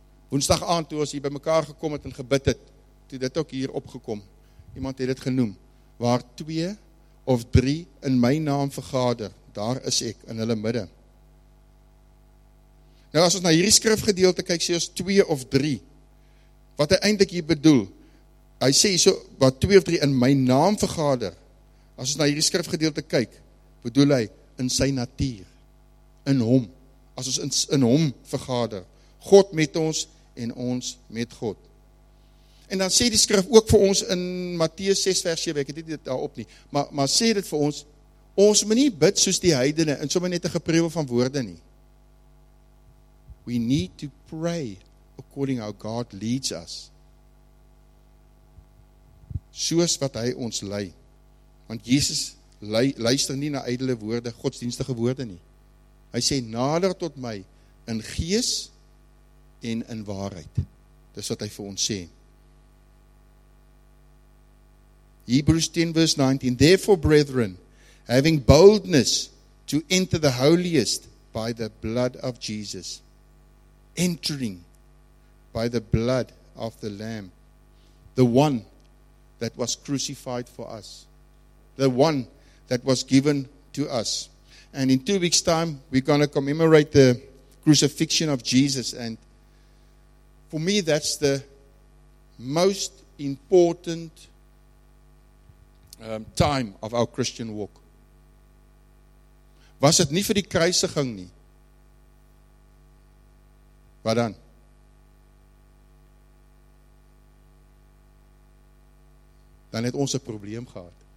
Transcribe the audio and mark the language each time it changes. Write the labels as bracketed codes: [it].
[af] Woensdag aand toe ons hier by mekaar gekom het en gebid het, toe dit ook hier opgekom, iemand het dit genoem, waar 2 of 3 in my naam vergader, daar is ek in hulle midde. Nou as ons na hierdie skrifgedeelte kyk, sê ons 2 of 3, wat hy eintlik hier bedoel, hy sê so, wat 2 of 3 in my naam vergader, as ons na hierdie skrifgedeelte kyk, bedoel hy in sy natuur, in hom, as ons in hom vergader, God met ons en ons met God. En dan sê die skrif ook vir ons in Matteus 6 vers 7, ek het dit daarop nie, maar sê dit vir ons, ons moet nie bid soos die heidene, en sommer net 'n gepreuwe van woorde nie. [en] We need to pray according how God leads us. [af] Soos wat hy ons lei. Want Jesus luister nie na ydele woorde, godsdienstige woorde nie. Hy sê, nader tot my in gees en in waarheid. Dis wat hy vir ons sê. [en] Hebrews 10 verse 19, therefore brethren, having boldness to enter the holiest by the blood of Jesus, entering by the blood of the Lamb, the one that was crucified for us, the one that was given to us. And in 2 weeks' time, we're going to commemorate the crucifixion of Jesus. And for me, that's the most important time of our Christian walk. [af] Was het nie vir die kruisiging nie? Wat dan? Dan het ons 'n probleem gehad.